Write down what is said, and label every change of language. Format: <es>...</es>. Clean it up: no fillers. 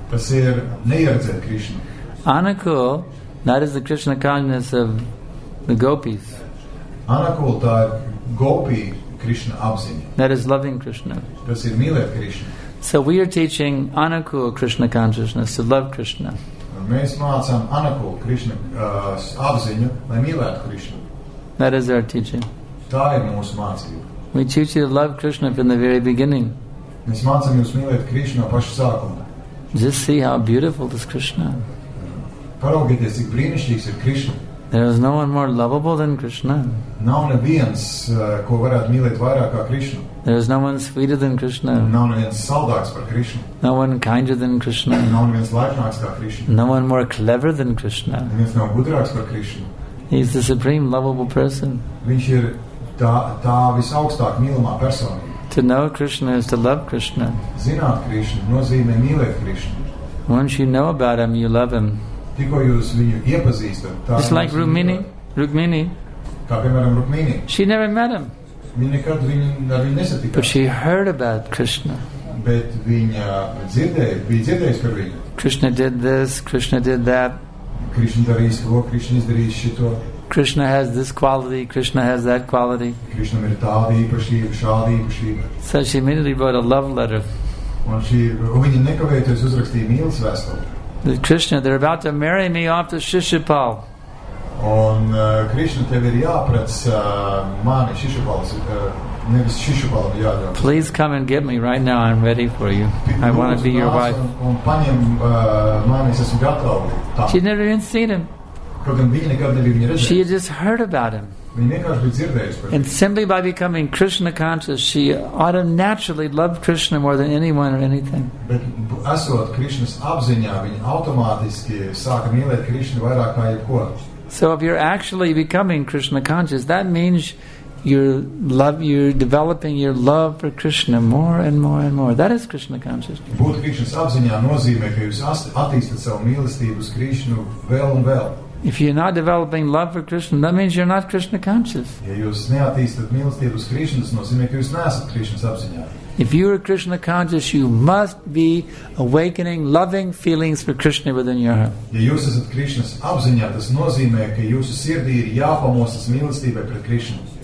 <lv>Tas ir neieredzēt Krišnu.</lv> <en>Anukul, that is the Krishna consciousness of the gopis.</en> <lv>Anukul, tā ir gopi Krishna apziņa.</lv> <en>That is loving Krishna.</en> <lv>Tas ir mīlēt Krishna.</lv> <en>So we are teaching anukul Krishna consciousness to love Krishna.</en> <lv>Mēs mācām anukul Krishna apziņu, lai mīlētu Krishna.</lv> <en>That is our teaching.</en> <lv>Tā ir mūsu mācība.</lv> <en>We teach you to love Krishna from the very beginning.</en> <lv>Mēs mācām jūs mīlēt Krishna pašu sākumā.</lv> <en>Just see how beautiful is Krishna.</en> <lv>Paraugieties, cik brīnišķīgs ir Krishna.</lv> <en>There is no one more lovable than Krishna.</en> <lv>Nav neviens, ko varētu mīlēt vairāk kā Krishna.</lv> <en>There is no one sweeter than Krishna.</en> <lv>Nav neviens saldāks par Krishna.</lv> <en>No one kinder than Krishna.</en> <lv>Nav neviens laipnāks kā Krishna.</lv> <en>No one more clever than Krishna.</en> <lv>Neviens nav gudrāks par Krishna.</lv> <en>He is the supreme lovable person.</en> <lv>Viņš ir tā visaugstāk mīlamā persona.</lv> <en>To know Krishna is to love Krishna.</en> <lv>Zināt Krishna nozīmē mīlēt Krishna.</lv> <en>Once you know about him, you love him.</en> <lv>Tikko jūs viņu iepazīstat.</lv> <en>Just like Rukmini. Rukmini.</en> <lv>Kā piemēram Rukmini.</lv> <en>She never met him.</en> <lv>Viņa nekad ar viņu nesatikās.</lv> <en>But she heard about Krishna.</en> <lv>Bet viņa bija dzirdējusi par viņu.</lv> <en>Krishna did this, Krishna did that.</en> <lv>Krishna darīs to, Krishna izdarīs šito.</lv> <en>Krishna has this quality, Krishna has that quality.</en> <lv>Krishna ir tāda īpašība, šāda īpašība.</lv> <en>So she immediately wrote a love letter.</en> <lv>Viņa nekavējoties uzrakstīja mīlas vēstuli.</lv> <en>Krishna, they're about to marry me off to Shishupal.</en> <lv>Un Krishna, tev ir jāprec mani Shishupalas, nevis Shishupala, jāļauj.</lv> <en>Please come and get me right now, I'm ready for you. I want to be your wife.</en> <lv>Un paņem mani, es esmu gatavi.</lv> <en>She never even seen him.</en> <lv>Kaut gan viņa nekad nebija viņa redzēt.</lv> <en>She had just heard about him.</en> <lv>Viņa vienkārši bija dzirdējusi par viņu.</lv> <en>And simply by becoming Krishna conscious, she ought to naturally love Krishna more than anyone or anything.</en> <lv>Bet esot Krishnas apziņā, viņa automātiski sāka mīlēt Krishna vairāk kā jebko.</lv> <en>So if you're actually becoming Krishna conscious, that means you're developing your love for Krishna more and more and more. That is Krishna consciousness.</en> <lv>Būt Krishnas apziņā nozīmē, ka jūs attīstat savu mīlestību uz Krishnu vēl un vēl.</lv> <en>If you're not developing love for Krishna, that means you're not Krishna conscious.</en> <lv>Ja jūs neattīstat mīlestību uz Krishna, tas nozīmē, ka jūs neesat Krishnas apziņā.</lv> <en>If you are Krishna conscious, you must be awakening loving feelings for Krishna within your heart.</en> <lv>Ja jūs esat Krishnas apziņā, tas nozīmē, ka jūsu sirdī ir jāpamostas mīlestībai pret Krishna.</lv>